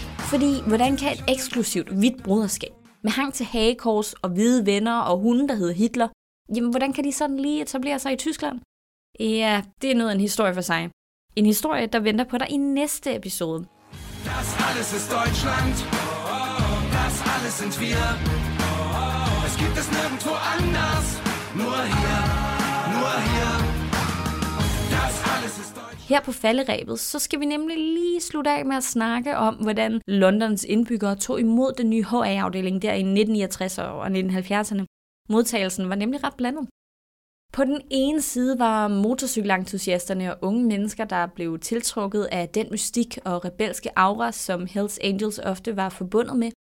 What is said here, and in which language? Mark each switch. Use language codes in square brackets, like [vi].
[da] Fordi, hvordan kan et eksklusivt hvidt broderskab med hang til hagekors og hvide venner og hunden, der hedder Hitler, jamen, hvordan kan de sådan lige etablere sig i Tyskland? Ja, det er noget af en historie for sig. En historie, der venter på dig i næste episode. [de] Das alles ist Deutschland. Das alles sind wir. Es gibt es nirgendwo anders. Nur hier. Nur hier. Das alles ist Deutschland. [da] Her på falderæbet, så skal vi nemlig lige slutte af med at snakke om, hvordan Londons indbyggere tog imod den nye HA-afdeling der i 1969'erne og 1970'erne. Modtagelsen var nemlig ret blandet. På den ene side var motorcykelentusiasterne og unge mennesker, der blev tiltrukket af den mystik og rebelske aura, som Hells Angels ofte var forbundet med.